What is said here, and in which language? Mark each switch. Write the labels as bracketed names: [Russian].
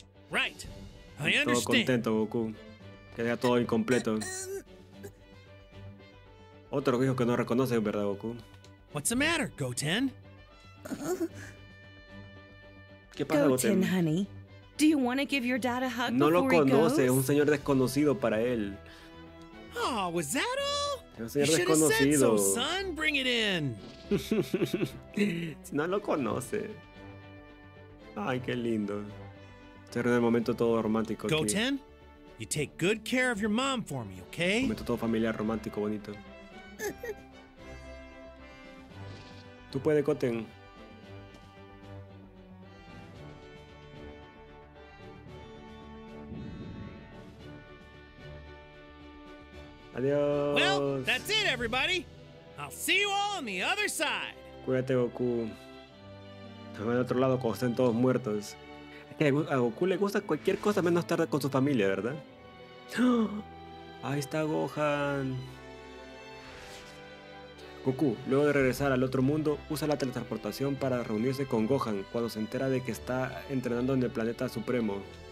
[English] Right, I understand. [Spanish] Todo contento, Goku. Queda todo incompleto. Otro hijo que no reconoce, ¿verdad, Goku? [English] What's the matter, Goten? [Spanish] ¿Qué pasa, Goten? [English] Goten, honey, do you want to give your dad a hug before he goes? [Spanish] No lo conoce, es un señor desconocido para él. [English] Oh, was that all? [Spanish] Es desconocido. [English] Should have said so, son, bring it in. [Spanish] No lo conoce. Ay, qué lindo. Este es el momento todo romántico. [English] Goten, you take good care of your mom for me, okay? [Spanish] Momento todo familiar romántico bonito. Tú puedes, Goten. Adiós. [English] Well, that's it, everybody. I'll see you all on the other side. [Spanish] Cuídate, Goku. También al otro lado, cuando estén todos muertos. Es que a Goku le gusta cualquier cosa menos estar con su familia, ¿verdad? ¡Oh! Ahí está Gohan. Goku, luego de regresar al otro mundo, usa la teletransportación para reunirse con Gohan cuando se entera de que está entrenando en el planeta supremo.